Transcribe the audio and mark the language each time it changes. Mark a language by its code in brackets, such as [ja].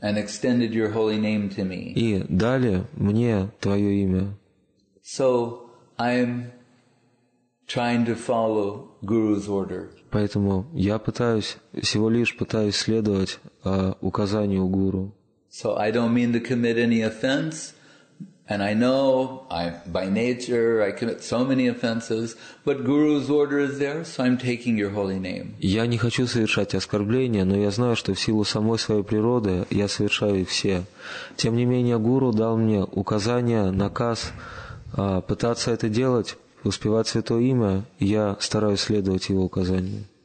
[en] And extended your holy name to me. [ru] И дали мне твое имя. [en] So I'm trying to follow Guru's order. [ru] Поэтому я пытаюсь, всего лишь пытаюсь следовать указанию Гуру. [en] So I don't mean to commit any offense, and I know I, by nature, I commit so many offenses, but Guru's order is there, so I'm taking your holy name. [ru] Я не хочу совершать оскорбления, но я знаю, что в силу самой своей природы я совершаю их все. Тем не менее, Гуру дал мне указание, наказ, пытаться это делать, успевать святое имя, я стараюсь следовать его указаниям.